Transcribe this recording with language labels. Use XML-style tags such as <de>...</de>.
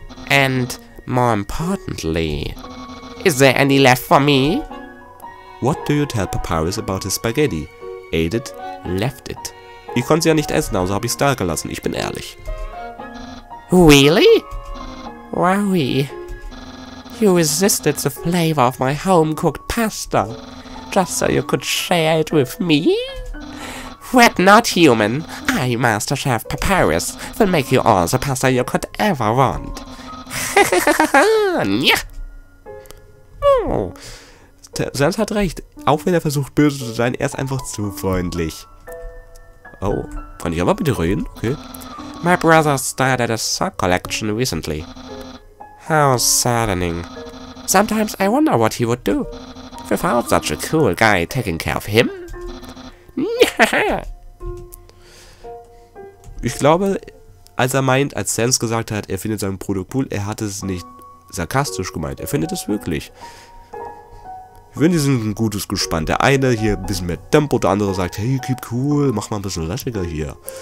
<en>And more importantly, is there any left for me? What do you tell Papyrus about his spaghetti? Ate it, left it.</en> <de>Ich konnte sie ja nicht essen, also habe ich es da gelassen, ich bin ehrlich.</de> <en>Really? Wowie. You resisted the flavor of my home-cooked pasta, just so you could share it with me? Fret not, human. I, Master Chef Papyrus, will make you all the pasta you could ever want. Ha</en> <de>ha ha. Sans hat recht. Auch wenn er versucht, böse zu sein, er ist einfach zu freundlich. Oh, kann ich aber bitte reden? Okay.</de> <en>My brother started a sock collection recently. How saddening. Sometimes I wonder what he would do without such a cool guy taking care of him.</en> <de>Ich glaube, als er meint, als Sans gesagt hat, er findet sein Produkt cool, er hat es nicht sarkastisch gemeint. Er findet es wirklich. Ich finde, die sind ein gutes Gespann. Der eine hier ein bisschen mehr Tempo, der andere sagt,</de> <en>hey, keep cool,</en> <de>mach mal ein bisschen lässiger hier.</de>